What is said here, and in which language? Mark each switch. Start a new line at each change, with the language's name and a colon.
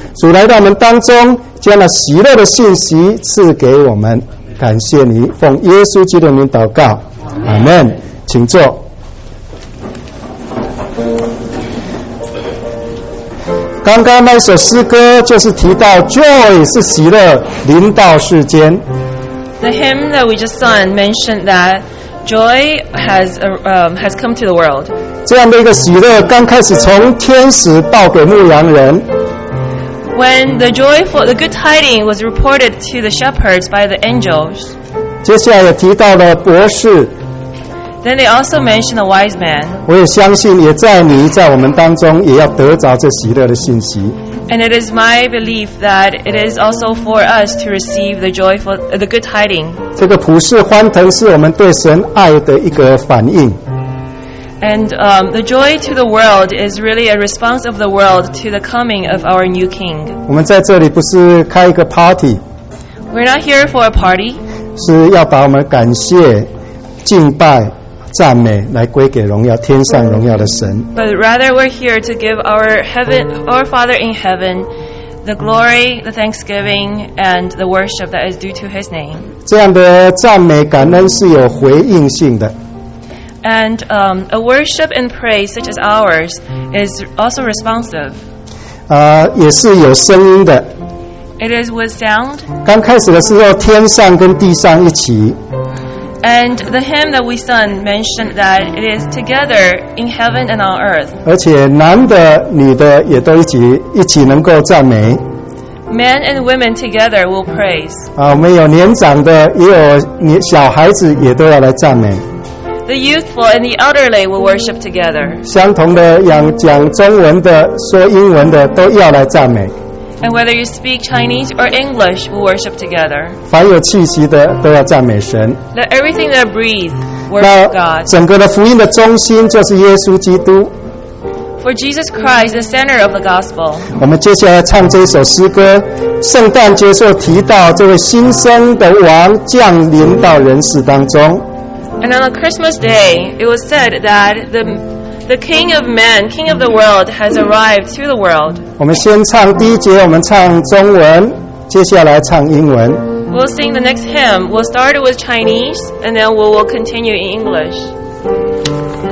Chinese: 主来到我们当中，将那喜乐的信息赐给我们，感谢你，奉耶稣基督的名祷告，阿门。请坐。刚刚那首诗歌就是提到 joy 是喜乐临到世间。
English: The hymn that we just sung mentioned that. Joy has come to the world.
Chinese: 这样的一个喜乐刚开始从天使报给牧羊人。
English: When the good tidings was reported to the shepherds by the angels.
Chinese: 接下来也提到了博士。
English: Then they also mentioned the wise man.
Chinese: 我也相信，也在你在我们当中也要得着这喜乐的信息。
English: And it is my belief that it is also for us to receive the joyful, the good tidings.
Chinese: 这个普世欢腾是我们对神爱的一个反应。
English: And the joy to the world is really a response of the world to the coming of our new king.
Chinese: 我们在这里不是开一个 party.
English: We're not here for a party.
Chinese: 是要把我们感谢、敬拜、赞美来归给荣耀天上荣耀的神。
English: But rather we're here to give our heaven, our Father in heaven, the glory, the thanksgiving, and the worship that is due to His name.
Chinese: 这样的赞美感恩是有回应性的。
English: And a worship and praise such as ours is also responsive.
Chinese: 也是有声音的。
English: It is with sound.
Chinese: 刚开始的时候，天上跟地上一起。
English: And the hymn that we sung mentioned that it is together in heaven and on earth.
Chinese: 而且男的、女的也都一起能够赞美。
English: Men and women together will praise.
Chinese: 我们有年长的，也有小孩子，也都要来赞美。
English: The youthful and the elderly will worship together.
Chinese: 相同的讲中文的、说英文的都要来赞美。
English: And whether you speak Chinese or English, we'll worship together.
Chinese: 凡有气息的都要赞美神。
English: Let everything that breathes worship God.
Chinese: 整个的福音的中心就是耶稣基督。
English: For Jesus Christ, the center of the gospel.
Chinese: 我们接下来唱这首诗歌，圣诞节所提到这位新生的王降临到人世当中。
English: And on a Christmas day, it was said that the King of Man, King of the World, has arrived to the world.
Chinese: 我们先唱第一节，我们唱中文，接下来唱英文。
English: We'll sing the next hymn. We'll start with Chinese, and then we will continue in English.